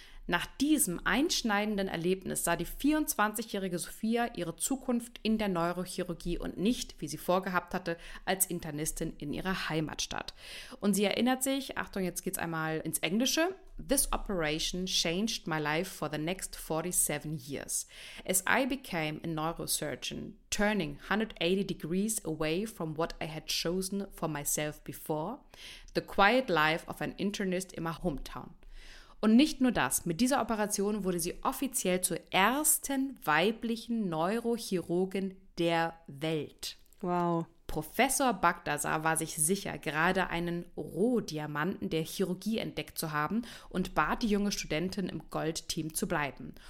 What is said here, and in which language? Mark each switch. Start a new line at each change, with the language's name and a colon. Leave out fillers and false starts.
German: Nach diesem einschneidenden Erlebnis sah die 24-jährige Sophia ihre Zukunft in der Neurochirurgie und nicht, wie sie vorgehabt hatte, als Internistin in ihrer Heimatstadt. Und sie erinnert sich, Achtung, jetzt geht's einmal ins Englische,
English: "This operation changed my life for the next 47 years. As I became a neurosurgeon, turning 180 degrees away from what I had chosen for myself before, the quiet life of an internist in my hometown."
German: Und nicht nur das, mit dieser Operation wurde sie offiziell zur ersten weiblichen Neurochirurgin der Welt. Wow. Professor Bagdasar war sich sicher, gerade einen Rohdiamanten der Chirurgie entdeckt zu haben und bat die junge Studentin im Goldteam zu bleiben.